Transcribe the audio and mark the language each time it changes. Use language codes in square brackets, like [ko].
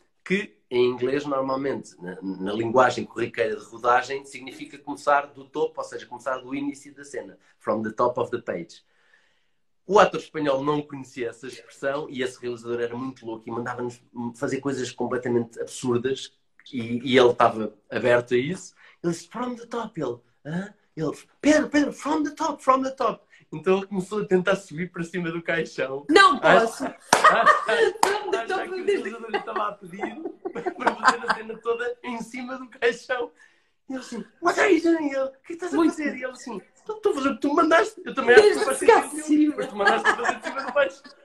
[pt] Que em inglês, normalmente, na linguagem corriqueira de rodagem, significa começar do topo, ou seja, começar do início da cena. [en] From the top of the page. [pt] O ator espanhol não conhecia essa expressão e esse realizador era muito louco e mandava-nos fazer coisas completamente absurdas e ele estava aberto a isso. Ele disse: [en] From the top, [pt] ele. Hã? [en] Ele: Pedro, Pedro, from the top, from the top. [pt] Então ele começou a tentar subir para cima do caixão, Não posso. a achar que o realizador lhe estava a pedir para fazer a cena toda em cima do caixão. E ele assim: [en] What are you doing? [pt] O que estás a fazer? E ele assim: Estou a fazer o que tu me mandaste. Eu também acho que não faz sentido nenhum, mas tu mandaste-me fazer de cima do baixo.